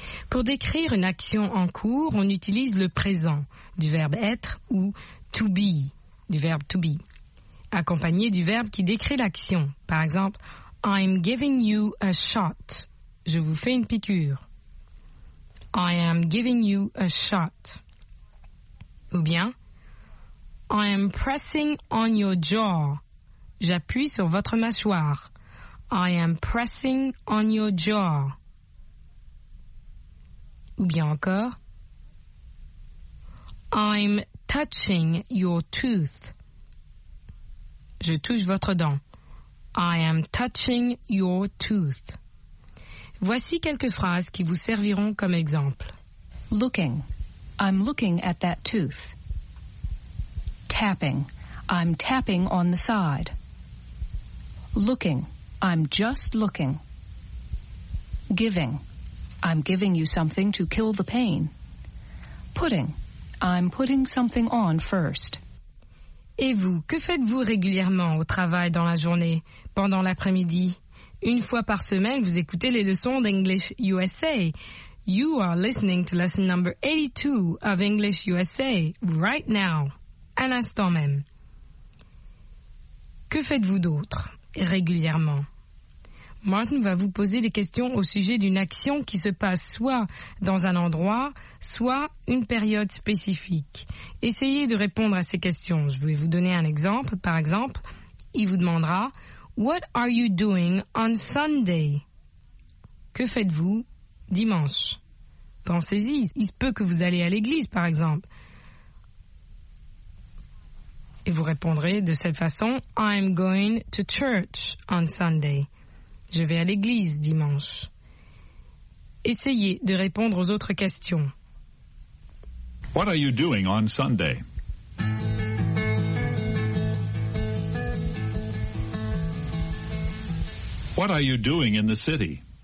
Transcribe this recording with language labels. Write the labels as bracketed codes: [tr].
[fr] Pour décrire une action en cours, on utilise le présent du verbe être ou to be, du verbe to be, accompagné du verbe qui décrit l'action. Par exemple, [en] I'm giving you a shot. [fr] Je vous fais une piqûre. [en] I am giving you a shot. [fr] Ou bien, [en] I am pressing on your jaw. [fr] J'appuie sur votre mâchoire. [en] I am pressing on your jaw. [fr] Ou bien encore, [en] I'm touching your tooth. [fr] Je touche votre dent. [en] I am touching your tooth. [fr] Voici quelques phrases qui vous serviront comme exemple. [en] Looking. I'm looking at that tooth. Tapping. I'm tapping on the side. Looking. I'm just looking. Giving. I'm giving you something to kill the pain. Putting. I'm putting something on first. [fr] Et vous, que faites-vous régulièrement au travail dans la journée, pendant l'après-midi? Une fois par semaine, vous écoutez les leçons d'English USA. [en] You are listening to lesson number 82 of English USA right now. [fr] Un instant même. Que faites-vous d'autre régulièrement? Martin va vous poser des questions au sujet d'une action qui se passe soit dans un endroit, soit une période spécifique. Essayez de répondre à ces questions. Je vais vous donner un exemple. Par exemple, il vous demandera « [en] What are you doing on Sunday? [fr] » Que faites-vous dimanche? Pensez-y, il se peut que vous allez à l'église, par exemple. Et vous répondrez de cette façon « [en] I'm going to church on Sunday. [fr] » Je vais à l'église dimanche. Essayez de répondre aux autres questions. [en] What are you doing on Sunday? What are you doing in the city?